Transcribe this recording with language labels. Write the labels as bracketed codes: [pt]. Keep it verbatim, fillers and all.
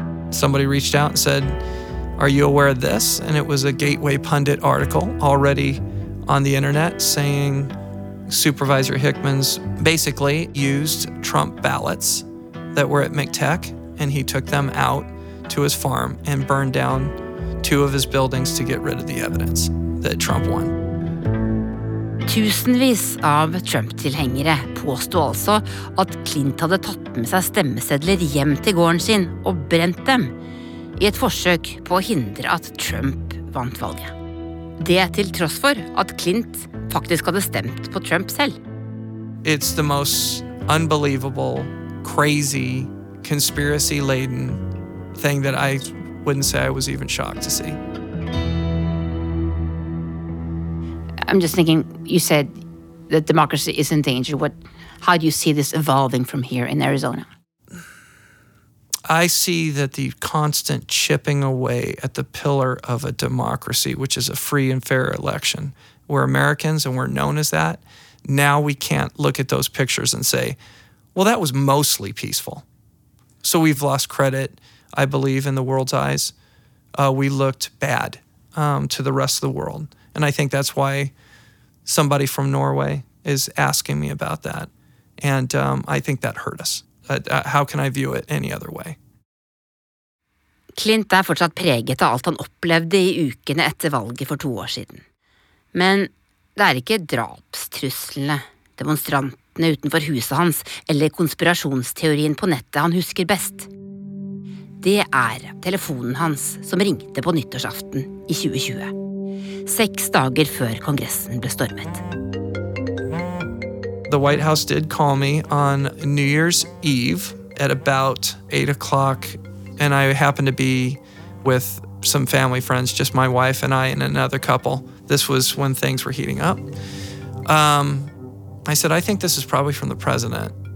[en] Somebody reached out and said, "Are you aware of this?" And it was a Gateway Pundit article already on the internet saying Supervisor Hickman's basically used Trump ballots that were at McTech, and he took them out to his farm and burned down two of his buildings to get rid of the evidence that Trump won. [no] Tusenvis av Trump-tilhengere påstod altså at Clint hadde tatt med seg stemmesedler hjem til gården sin og brent dem, i et forsøk på å hindre at Trump vant valget. Det til tross for at Clint faktisk hadde stemt på Trump selv. [en] It's the most unbelievable, crazy, conspiracy-laden thing that I wouldn't say I was even shocked to see. I'm just thinking, you said that democracy is in danger. What, how do you see this evolving from here in Arizona? I see that the constant chipping away at the pillar of a democracy, which is a free and fair election. We're Americans and we're known as that. Now we can't look at those pictures and say, well, that was mostly peaceful. So we've lost credit, I believe, in the world's eyes. Uh, we looked bad um, to the rest of the world. And I think that's why somebody from Norway is asking me about that. And um, I think that hurt us. Uh, how can I view it any other way? [no] Clint er fortsatt preget av alt han opplevde i ukene etter valget for to år siden. Men det er ikke drapstruslene, demonstrantene utenfor huset hans eller konspirasjonsteorien på nettet han husker best. Det er telefonen hans som ringte på nyttårsaften i tjue tjue. Seks dager før kongressen ble stormet. [en] The White House did call me on New Year's Eve at about eight o'clock, and I happened to be with some family friends, just my wife and I and another couple. This was when things were heating up. Um, I said, I think this is probably from the president.